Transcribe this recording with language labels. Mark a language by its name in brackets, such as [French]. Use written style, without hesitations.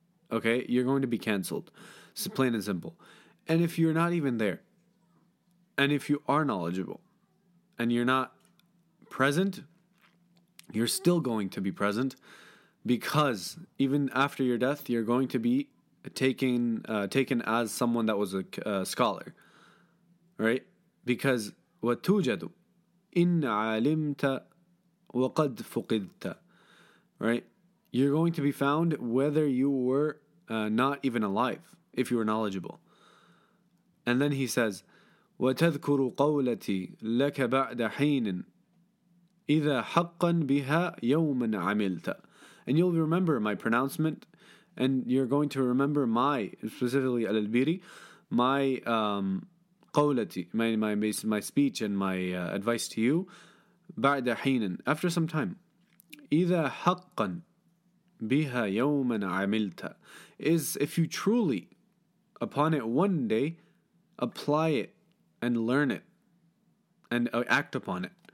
[English] Okay, you're going to be canceled. It's plain and simple. And if you're not even there, and if you are knowledgeable, and you're not present, you're still going to be present, because even after your death, you're going to be taken as someone that was a scholar, right? Because [Arabic] وَتُوجَدُ إِنْ عَلِمْتَ وَقَدْ فُقِدْتَ, [English] right? You're going to be found whether you were not even alive, if you were knowledgeable. And then he says, [Arabic] وَتَذْكُرُ قَوْلَتِي لَكَ بَعْدَ حِينٍ إِذَا حَقًّا بِهَا يَوْمًا عَمِلْتَ. [English] And you'll remember my pronouncement, and you're going to remember my, specifically Al-Ilbiri, my [Arabic] قولتي, [English] my speech and my advice to you, [Arabic] بعد حين, [English] after some time. [Arabic] إِذَا حَقًّا بِهَا يَوْمًا عَمِلْتَ, [English] is if you truly, upon it one day, apply it and learn it and act upon it.